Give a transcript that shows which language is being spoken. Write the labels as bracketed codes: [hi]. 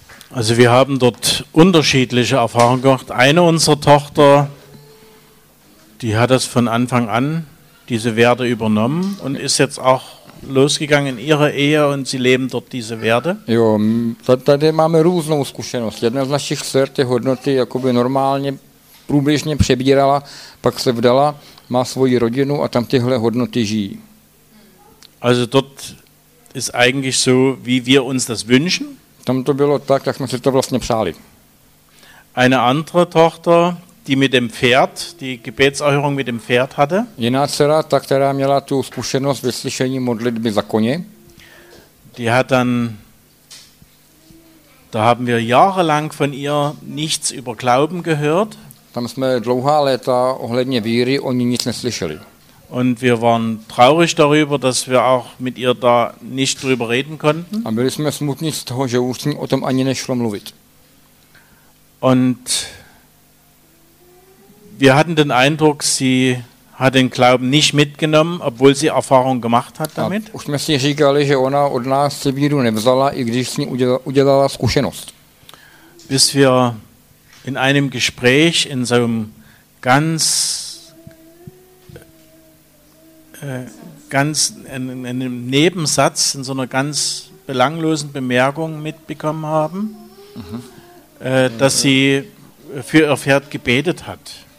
[de] Also wir haben dort unterschiedliche Erfahrungen gemacht. Eine unserer Tochter, die hat das von Anfang an, diese Werte übernommen und ist jetzt auch losgegangen in ihrer Ehe und sie leben dort diese Werte. [cs] Jo, tady máme různou zkušenost. Jedna z našich dcer ty hodnoty jakoby normálně průběžně přebírala, pak se vdala, má svoji rodinu a tam tyhle hodnoty žijí. [de] Also dort ist eigentlich so, wie wir uns das wünschen. [cs] Tam to bylo tak, jak jsme si to vlastně přáli. [de] Eine andere Tochter, die mit dem Pferd, die Gebetserhörung mit dem Pferd hatte. [cs] Jiná dcera, ta, která měla tu zkušenost vyslyšení modlitby za koně. [de] Die hat dann, da haben wir jahrelang von ihr nichts über Glauben gehört. [cs] Tam jsme dlouhá léta ohledně víry o ní nic neslyšeli. [de] Und wir waren traurig darüber, dass wir auch mit ihr da nicht drüber reden konnten. [cs] A byli jsme smutní z toho, že už o tom ani nešlo mluvit. [de] Und wir hatten den Eindruck, sie hat den Glauben nicht mitgenommen, obwohl sie Erfahrung gemacht hat damit. [cs] A už jsme si říkali, že ona od nás se víru nevzala, i když s ní udělala zkušenost. [de] Bis wir in einem Gespräch, in so einem ganz in einem Nebensatz, in so einer ganz belanglosen Bemerkung mitbekommen haben, dass sie für ihr Pferd gebetet hat.